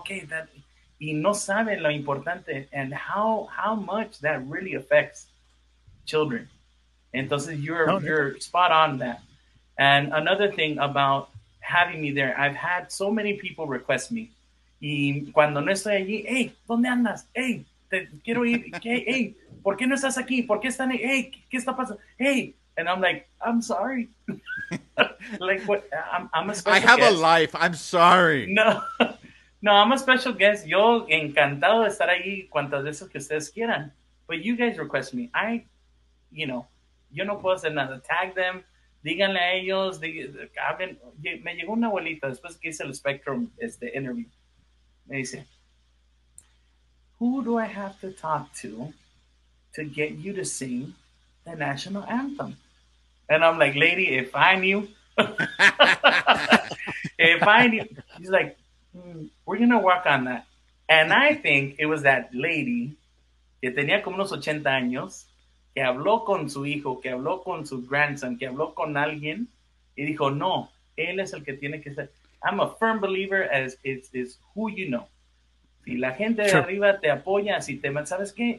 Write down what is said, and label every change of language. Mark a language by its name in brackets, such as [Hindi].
[English] Okay, that, [Spanish] y no saben lo importante [English] and how much that really affects children. Entonces, you're spot on that. And another thing about having me there, I've had so many people request me. [Spanish] Y cuando no estoy allí, hey, ¿dónde andas? Hey, te quiero ir. ¿Qué? Hey, ¿por qué no estás aquí? ¿Por qué están ahí? [English] Hey, [Spanish] ¿qué está pasando? [English] Hey, and I'm like, I'm sorry. Like, what? I'm a special guest. I have guest. A life. I'm sorry. No, I'm a special guest. [Spanish] Yo encantado de estar ahí cuantas veces que ustedes quieran. [English] But you guys request me. I, you know, [Spanish] yo no puedo hacer nada. [English] Tag them. [Spanish] Díganle a ellos, me llegó una abuelita después que hice el Spectrum interview. Me dice, [English] who do I have to talk to get you to sing the national anthem? And I'm like, lady, if I knew, she's like, we're going to work on that. And I think it was that lady [Spanish] que tenía como unos 80 años, que habló con su hijo, que habló con su grandson, que habló con alguien, y dijo, no, él es el que tiene que ser. [English] I'm a firm believer as it's who you know. [Spanish] Si la gente sure. de arriba te apoya, si te, ¿sabes qué?